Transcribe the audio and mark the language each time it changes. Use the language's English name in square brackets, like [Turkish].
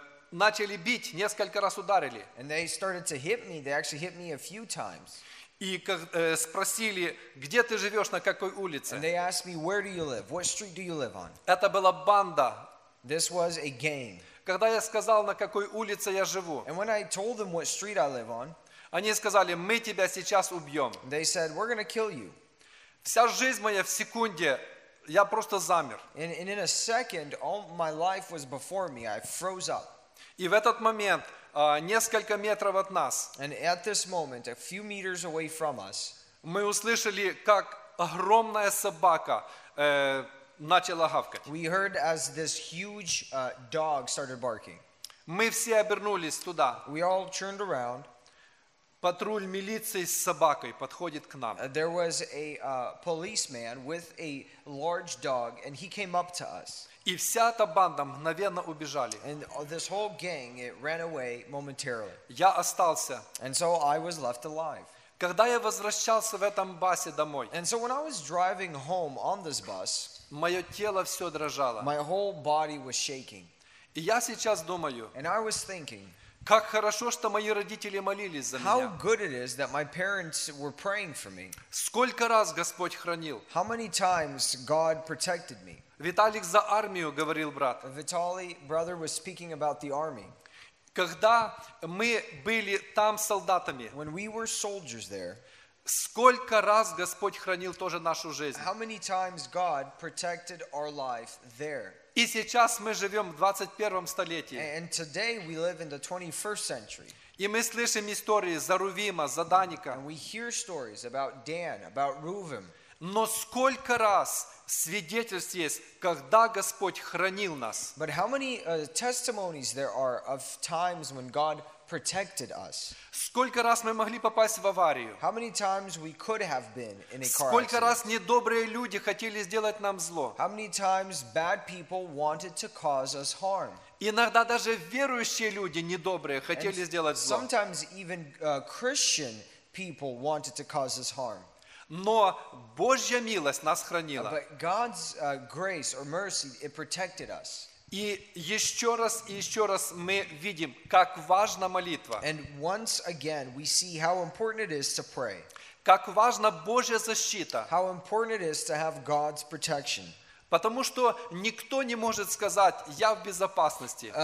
[Russian] Начали бить, несколько раз ударили. [English] And they started to hit me, they actually hit me a few times. [Russian] И спросили, где ты живешь, на какой улице? [English] And they asked me, where do you live? What street do you live on? [Russian] Это была банда. [English] This was a gang. [Russian] Когда я сказал, на какой улице я живу, [English] and when I told them what street I live on, [Russian] они сказали, мы тебя сейчас убьем. [English] They said, we're going to kill you. [Russian] Вся жизнь моя в секунде, я просто замер. [English] And in a second, all my life was before me. I froze up. [Russian] И в этот момент, несколько метров от нас, [English] and at this moment, a few meters away from us, [Russian] мы услышали, как огромная собака начала гавкать. [English] We heard as this huge dog started barking. [Russian] Мы все обернулись туда. [English] We all turned around. [Russian] Патруль милиции с собакой подходит к нам. [English] There was a policeman with a large dog and he came up to us. [Russian] И вся эта банда мгновенно убежали. [English] And this whole gang, it ran away momentarily. [Russian] Я остался. [English] And so I was left alive. [Russian] Когда я возвращался в этом басе домой, [English] and so when I was driving home on this bus, [Russian] мое тело все дрожало. [English] My whole body was shaking. [Russian] И я сейчас думаю, [English] and I was thinking, [Russian] как хорошо, что мои родители молились за меня. [English] How good it is that my parents were praying for me. [Russian] Сколько раз Господь хранил. [English] How many times God protected me. [Russian] Виталик за армию говорил, брат. [English] Vitaly, brother, was speaking about the army. [Russian] Когда мы были там солдатами, [English] when we were soldiers there, [Russian] сколько раз Господь хранил тоже нашу жизнь? [English] How many times God protected our life there? [Russian] И сейчас мы живем в 21-м столетии. [English] And today we live in the 21st century. [Russian] И мы слышим истории за Рувима, за Даника. [English] And we hear stories about Dan, about Reuven. [Russian] Но сколько раз свидетельств есть, когда Господь хранил нас? [English] But how many testimonies there are of times when God protected us? [Russian] Сколько раз мы могли попасть в аварию? [English] How many times we could have been in a car accident? [Russian] Сколько раз недобрые люди хотели сделать нам зло? [English] How many times bad people wanted to cause us harm? [Russian] Иногда даже верующие люди недобрые хотели сделать зло. [English] Sometimes even Christian people wanted to cause us harm. [Russian] Но Божья милость нас хранила. [English] But God's grace or mercy, it protected us. [Russian] И еще раз и еще раз мы видим, как важна молитва. [English] And once again, we see how important it is to pray. [Russian] Как важна Божья защита. [English] How important it is to have God's protection. [Russian] Потому что никто не может сказать, я в безопасности.